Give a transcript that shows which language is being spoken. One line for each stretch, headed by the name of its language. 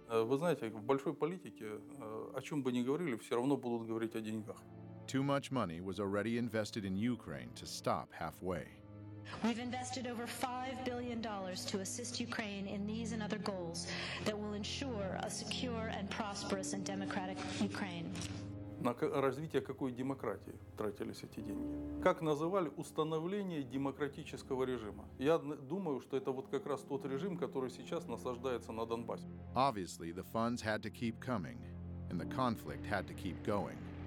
Russian: Вы знаете, в большой политике, о чем бы ни говорили, все равно будут говорить о деньгах.
English: Too much money was already invested in Ukraine to stop halfway. We've invested over $5 billion to assist Ukraine in these and other goals that will ensure a secure and prosperous and democratic Ukraine.
Russian: На развитие какой демократии тратились эти деньги? Как называли установление демократического режима? Я думаю, что это вот как раз тот режим, который сейчас насаждается на Донбассе.
English: Obviously, the funds had to keep coming, and the conflict had to keep going.